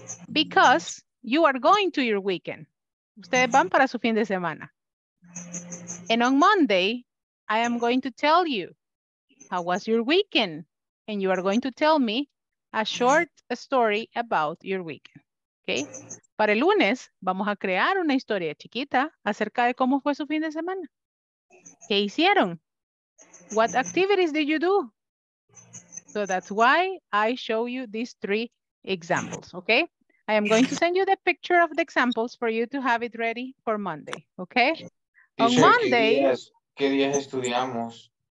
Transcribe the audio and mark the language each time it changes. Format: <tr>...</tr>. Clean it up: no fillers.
<en>Because you are going to your weekend.</en> <es>Ustedes van para su fin de semana.</es> <en>And on Monday, I am going to tell you, how was your weekend? And you are going to tell me a short story about your weekend. Okay?</en> <es>Para el lunes, vamos a crear una historia chiquita acerca de cómo fue su fin de semana. ¿Qué hicieron?</es> <en>What activities did you do? So that's why I show you these three examples, okay? I am going to send you the picture of the examples for you to have it ready for Monday, okay?</en> <es>Teacher,</es> <en>on Monday...</en> <es>¿Qué días estudiamos?</es>